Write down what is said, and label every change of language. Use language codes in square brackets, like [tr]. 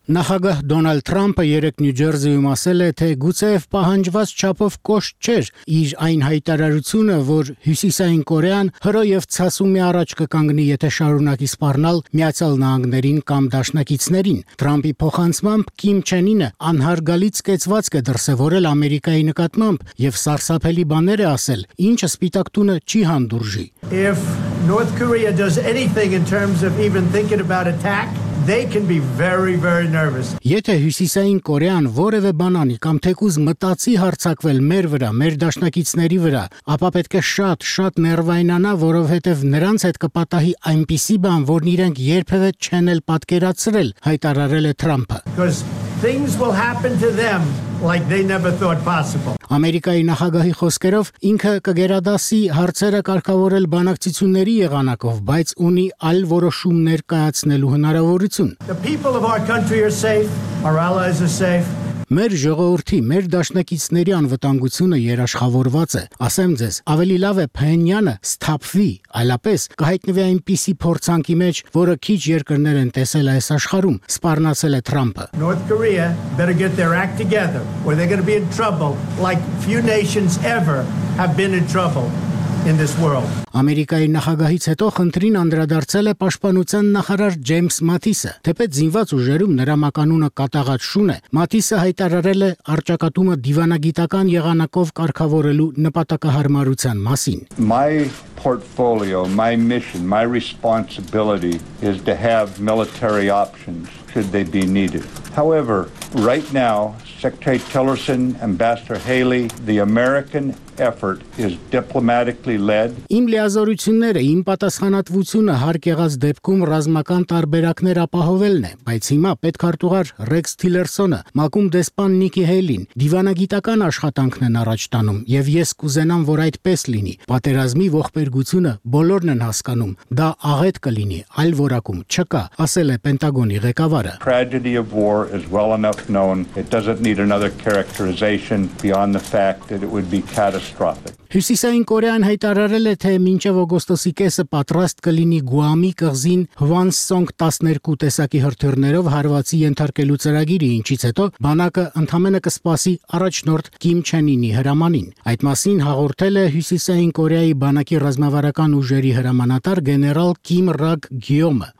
[hy] Նախագահ Դոնալդ Թրամփը երեկ Նյու Ջերսիում ասել է, թե գուցեև պահանջված չափով կոշտ չէր իր այն հայտարարությունը, որ Հյուսիսային Կորեան հրո և ցասումի առաջ կկանգնի, եթե շարունակի սպառնալ Միացյալ Նահանգներին կամ դաշնակիցներին։ Թրամփի փոխանցմամբ Կիմ Չեն Ինը անհարգալից կեցվածք է դրսևորել Ամերիկայի նկատմամբ և սարսափելի բաներ է ասել, ինչը Սպիտակ Տունը չի հանդուրժի։ [en] If North Korea does anything in terms of even thinking about attack, they can be very, very nervous. [hy] Եթե Հյուսիսային Կորեան որևէ բան անի կամ թեկուզ մտածի հարցակվել մեր վրա, մեր դաշնակիցների վրա, ապա պետք է շատ, շատ ներվայնանա, որովհետև նրանց հետ կպատահի այնպիսի բան, որն իրենք երբևէ չեն էլ պատկերացրել, հայտարարել է Թրամփը։ [en] Things will happen to them like they never thought possible. [hy] Ամերիկայի նախագահի խոսքերով ինքը կգերադասի հարցերը կարգավորել բանակցությունների եղանակով, բայց ունի այլ որոշումներ կայացնելու հնարավորություն։ [en] The people of our country are safe, our allies are safe. [hy] Մեր ժողովրդի, մեր դաշնակիցների անվտանգությունը երաշխավորված է։ Ասեմ ձեզ, ավելի լավ է Փենյանը սթափվի, այլապես կհայտնվի այնպիսի փորձանքի մեջ, որը քիչ երկրներ են տեսել այս աշխարհում, սպառնացել է Թրամփը։ [en] North Korea better get their act together or they're going to be in trouble like few nations ever have been in trouble in this world. [hy] Ամերիկայի նախագահից հետո խնդրին անդրադարձել է պաշտպանության նախարար Ջեյմս Մաթիսը, թեպետ զինված ուժերում նրա մականունը կատաղած շուն է։ Մաթիսը հայտարարել է արճակատումը դիվանագիտական եղանակով կարգավորելու նպատակահարմարության մասին։ [en] My portfolio, my mission, my responsibility is to have military options should they be needed. However, right now, Secretary Tillerson, Ambassador Haley, the American effort is diplomatically led. [hy] Իմ լիազորությունները, իմ պատասխանատվությունը հարկ եղած դեպքում ռազմական տարբերակներ ապահովելն է, բայց հիմա պետք արտուղար Ռեքս Թիլերսոնը, մակում դեսպան Նիկի Հելին, դիվանագիտական աշխատանքն են առաջ տանում, և ես կուզենամ, որ այդպես լինի։ Պատերազմի ողբերգությունը բոլորն են հասկանում, դա աղետ կլինի, այլ որակում չկա, ասել է Պենտագոնի ղեկավարը։ [en] Tragedy of war is well enough known. It doesn't need another characterization beyond the fact that it would be catastrophic. [hy] Հյուսիսային Կորեան հայտարարել է, թե մինչև օգոստոսի կեսը պատրաստ կլինի Գուամի կղզին Հվանսոնգ 12 տեսակի հրթիռներով հարվածի ենթարկելու ծրագիրը, ինչից հետո բանակը ընդամենը կսպասի առաջնորդ Կիմ Չեն Ինի հրամանին։ Այդ մասին հաղորդել է Հյուսիսային Կորեայի բանակի ռազմավարական ուժերի հրամանատար գեներալ Կիմ Ռակ Գյոմը։